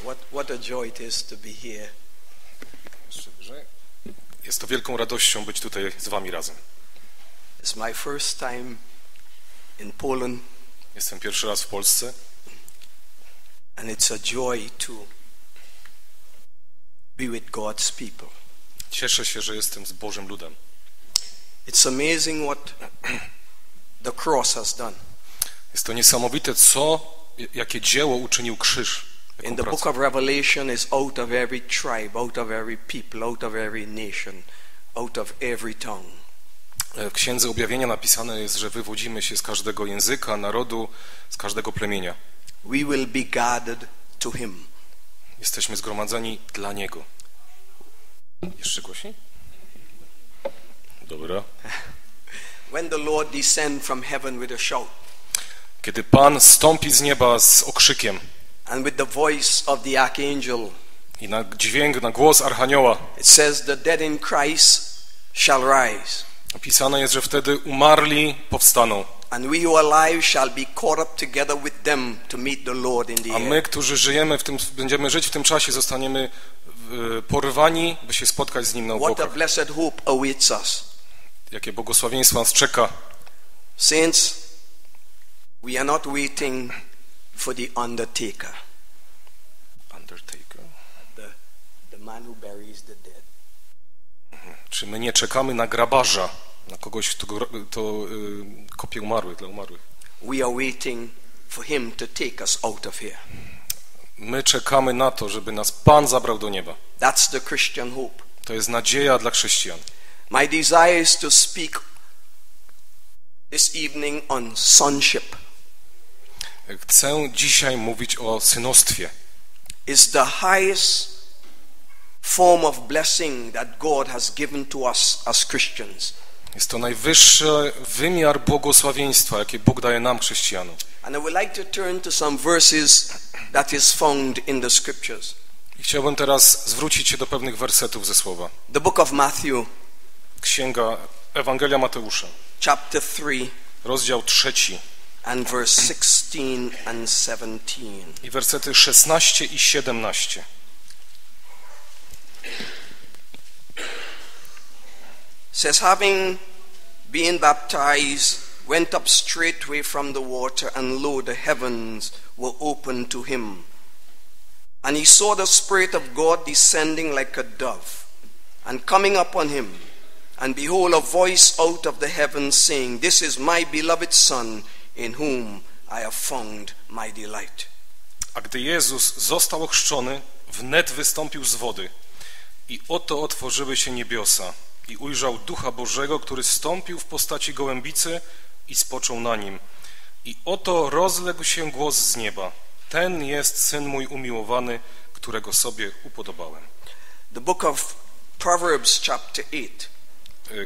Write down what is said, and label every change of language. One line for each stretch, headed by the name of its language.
English: What a joy it is to be here.
Polish: Jest to wielką radością być tutaj z wami razem.
English: It's my first time in Poland.
Polish: Jestem pierwszy raz w Polsce.
English: And it's a joy to be with God's people.
Polish: Cieszę się, że jestem z Bożym ludem.
English: It's amazing what the cross has done.
Polish: Jest to niesamowite, co, jakie dzieło uczynił krzyż.
English: In the book of Revelation is out of every tribe, out of every people, out of every nation, out of every tongue.
Polish: W Księdze Objawienia napisane jest, że wywodzimy się z każdego języka, narodu, z każdego plemienia.
English: We will be gathered to him.
Polish: Jesteśmy zgromadzeni dla niego. Jeszcze głośniej? Dobra.
English: When the Lord descend from heaven with a shout.
Polish: Kiedy Pan stąpi z nieba z okrzykiem.
English: And with the voice of the archangel.
Polish: I na dźwięk, na głos archanioła.
English: It says the dead in Christ shall rise.
Polish: Napisane jest, że wtedy umarli powstaną.
English: And we who are alive shall be caught up together with them to meet the Lord in the air.
Polish: A my, którzy żyjemy w tym, będziemy żyć w tym czasie, zostaniemy porwani, by się spotkać z nim na obłokach.
English: What a blessed hope awaits us.
Polish: Jakie błogosławieństwo nas czeka.
English: Since we are not waiting for the undertaker. Undertaker. The man who buries the dead.
Polish: Czy my nie czekamy na grabarza, na kogoś, kto kopie umarłych, dla umarłych?
English: We are waiting for him to take us out of here.
Polish: My czekamy na to, żeby nas Pan zabrał do nieba.
English: That's the Christian hope.
Polish: To jest nadzieja dla chrześcijan.
English: My desire is to speak this evening on sonship.
Polish: Chcę dzisiaj mówić o synostwie.
English: It's the highest form of blessing that God has given to us as Christians.
Polish: Jest to najwyższy wymiar błogosławieństwa, jakie Bóg daje nam, chrześcijanom.
English: And I would like to turn to some verses that is found in the scriptures.
Polish: I chciałbym teraz zwrócić się do pewnych wersetów ze słowa.
English: The book of Matthew.
Polish: Księga Ewangelia Mateusza.
English: Chapter 3.
Polish: Rozdział 3.
English: And verse 16 and 17.
Polish: I wersety 16 i 17.
English: Says, having been baptized, went up straightway from the water, and lo, the heavens were opened to him. And he saw the Spirit of God descending like a dove, and coming upon him. And behold, a voice out of the heavens saying, this is my beloved Son, in whom I have found my delight.
Polish: A gdy Jezus został ochrzczony, wnet wystąpił z wody, i oto otworzyły się niebiosa. I ujrzał Ducha Bożego, który stąpił w postaci gołębicy i spoczął na nim. I oto rozległ się głos z nieba. Ten jest Syn mój umiłowany, którego sobie upodobałem.
English: The book of Proverbs, chapter 8.